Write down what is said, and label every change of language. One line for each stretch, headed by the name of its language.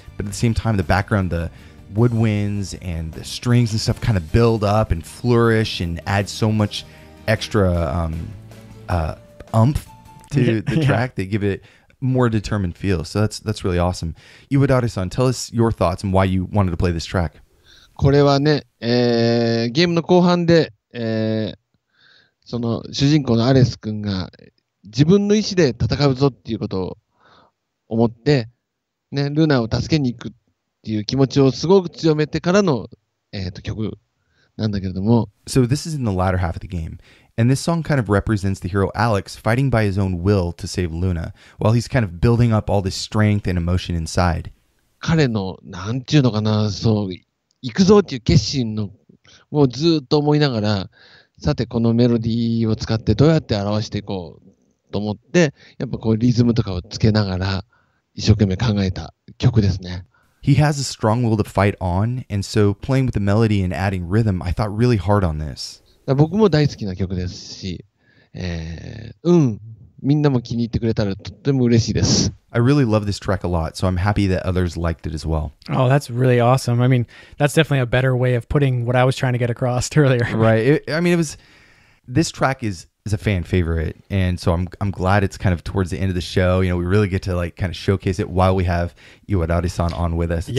English: But at the same time, the background, the woodwinds and the strings and stuff kind of build up and flourish and add so much extra oomph to the track. They give it more determined feel. So that's really awesome. Iwadare-san, tell us your thoughts and why you wanted to play this track.
Japanese: これはね、ゲームの後半で、その主人公のアレス君が自分の意思で戦うぞっていうことを思って、ね、ルナを助けに行くっていう気持ちをすごく強めてからの、曲なんだけれども。
English: So this is in the latter half of the game. And this song kind of represents the hero Alex fighting by his own will to save Luna while he's kind of building up all this strength and emotion inside.
Japanese: 彼の、なんていうのかな、そう、行くぞっていう決心の、もうずっと思いながら、さてこのメロディーを使ってどうやって表していこう。と思って、やっぱこうリズムとかをつけながら一生懸命考えた曲ですね。
English: He has a strong will to fight on, and so playing with the melody and adding rhythm, I thought really hard on this.
Japanese: 僕も大好きな曲ですし、うん、みんなも気に入ってくれたらとっても嬉しいです。
English: I really love this track a lot, so I'm happy that others liked it as well. Oh, that's really awesome. I mean, that's definitely a better way of putting what I was trying to get across earlier. Right. This track is a fan favorite, and so I'm glad it's kind of towards the end of the show. You know, we really get to like kind of showcase it while we have Iwadari-san on with us.